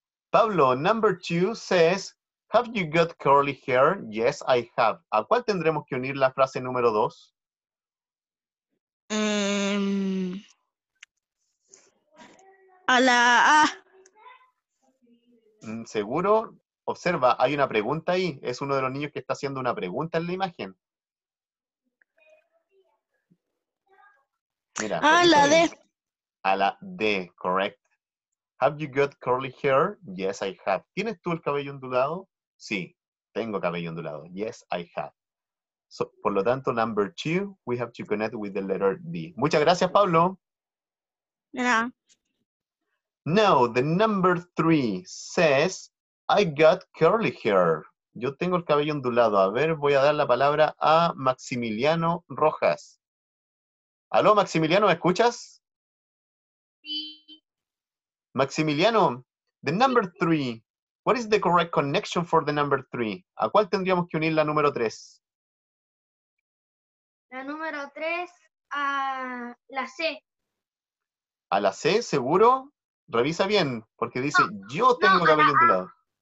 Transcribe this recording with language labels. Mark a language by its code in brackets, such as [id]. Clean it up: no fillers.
[en] Pablo, number two says, have you got curly hair? Yes, I have. [es] ¿A cuál tendremos que unir la frase número dos? A la A. ¿Seguro? Observa, hay una pregunta ahí. Es uno de los niños que está haciendo una pregunta en la imagen. Mira, a la D. A la D, [en] correct. Have you got curly hair? Yes, I have. [es] ¿Tienes tú el cabello ondulado? Sí, tengo cabello ondulado. [en] Yes, I have. So, [es] por lo tanto, [en] number two, we have to connect with the letter D. [es] Muchas gracias, Pablo. No. [en] No, the number three says, I got curly hair. [es] Yo tengo el cabello ondulado. A ver, voy a dar la palabra a Maximiliano Rojas. ¿Aló, Maximiliano, me escuchas? Sí. [en] Maximiliano, the number three. What is the correct connection for the number three? [es] ¿A cuál tendríamos que unir la número tres? La número tres, a la C. ¿A la C, seguro? Revisa bien, porque dice, no, yo tengo cabello ondulado.